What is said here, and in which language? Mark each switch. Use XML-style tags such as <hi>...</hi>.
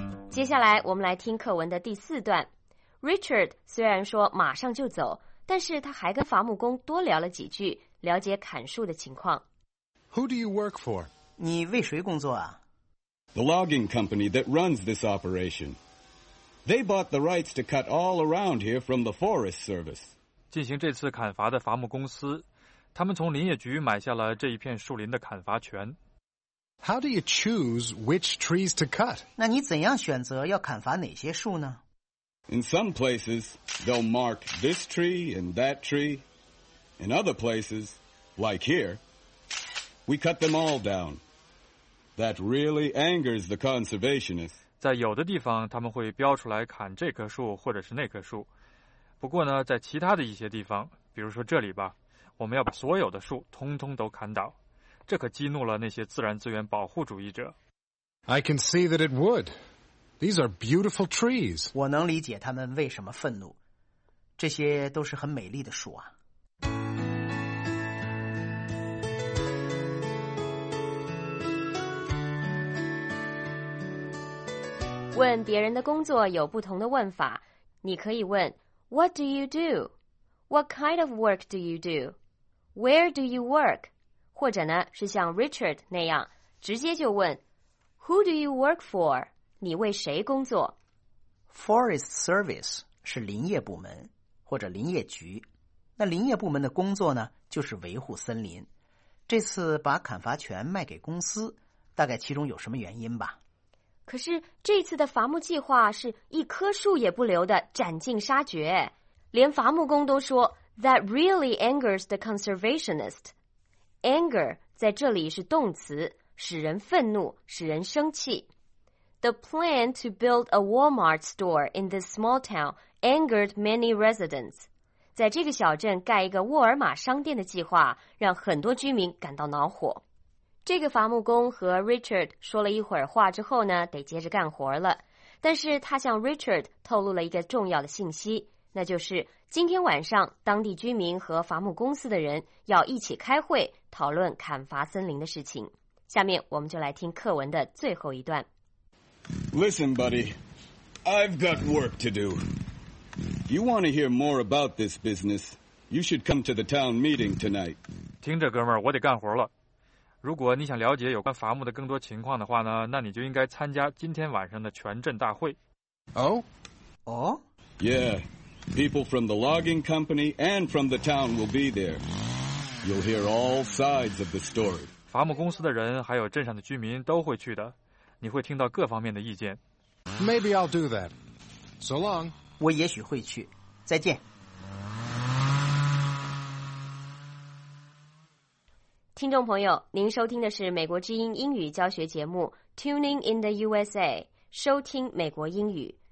<zh>接下来我们来听课文的第四段。Richard 虽然说马上就走，但是他还跟伐木工多聊了几句，了解砍树的情况。</zh> <en>Who do you work for?</en> <zh>你为谁工作啊？</zh> <en>The logging company that runs this operation. They bought the rights to cut all around here from the Forest Service.</en> <zh>进行这次砍伐的伐木公司，他们从林业局买下了这一片树林的砍伐权。</zh> <en>How do you choose which trees to cut?</en> <zh>那你怎样选择要砍伐哪些树呢？</zh> <en>In some places, they'll mark this tree and that tree. In other places, like here, we cut them all down. That really angers the conservationists.</en> <zh>在有的地方，他们会标出来砍这棵树或者是那棵树。不过呢，在其他的一些地方，比如说这里吧，我们要把所有的树通通都砍倒。这可激怒了那些自然资源保护主义者。</zh> <en>I can see that it would. These are beautiful trees.</en> <zh>我能理解他们为什么愤怒。这些都是很美丽的树啊。问别人的工作有不同的问法。你可以问</zh> <en>What do you do? What kind of work do you do? Where do you work?</en> <zh>或者呢，是像 Richard 那样，直接就问</zh> <en>Who do you work for?</en> <zh>你为谁工作？ Forest Service 是林业部门或者林业局。那林业部门的工作呢，就是维护森林。这次把砍伐权卖给公司，大概其中有什么原因吧。可是这次的伐木计划是一棵树也不留的斩尽杀绝，连伐木工都说</zh> <en>That really angers the conservationist.</en> <zh>Anger 在这里是动词，使人愤怒，使人生气。</zh> <en>The plan to build a Walmart store in this small town angered many residents.</en> <zh>在这个小镇盖一个沃尔玛商店的计划让很多居民感到恼火。这个伐木工和 Richard 说了一会儿话之后呢，得接着干活了。但是他向 Richard 透露了一个重要的信息，那就是今天晚上当地居民和伐木公司的人要一起开会讨论砍伐森林的事情。下面我们就来听课文的最后一段。</zh> <en>Listen, buddy, I've got work to do. You want to hear more about this business, you should come to the town meeting tonight.</en> <zh>听着，哥们儿，我得干活了。如果你想了解有关伐木的更多情况的话呢，那你就应该参加今天晚上的全镇大会。</zh> <en>Oh? Oh? Yeah, people from the logging company and from the town will be there. You'll hear all sides of the story.</en> <zh>伐木公司的人还有镇上的居民都会去的。你会听到各方面的意见。</zh> <en>Maybe I'll do that. So long.</en> <zh>我也许会去。再见。听众朋友，您收听的是美国之音英语教学节目 Tuning in the USA， 收听美国英语。</zh>